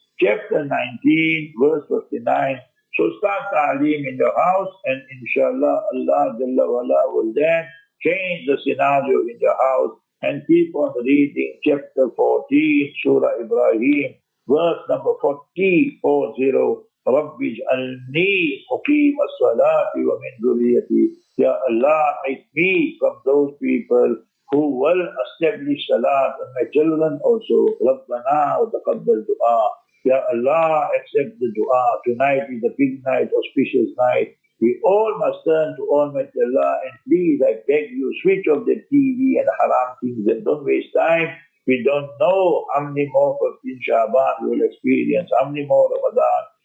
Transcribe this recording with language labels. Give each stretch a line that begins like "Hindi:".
English: Chapter 19, verse 59. So start ta'aleem in your house, and inshallah Allah Jalla Wala will then change the scenario in your house, and keep on reading chapter 14, Surah Ibrahim, verse number 40.
Arabic: رَبِّ جَعَلْنِي مُقِيمَ الصَّلَاةِ وَمِنْ ذُرِّيَّتِي.
English: Ya Allah, make me from those people who will establish salat, and my children also.
Arabic: رَبَّنَا وَتَقَبَّلْ dua.
English: Ya Allah, accept the dua. Tonight is a big night, auspicious night. We all must turn to Almighty Allah, and please, I beg you, switch off the TV and haram things, and don't waste time. We don't know how many more 15 Shaban we will experience, how many more Ramadan.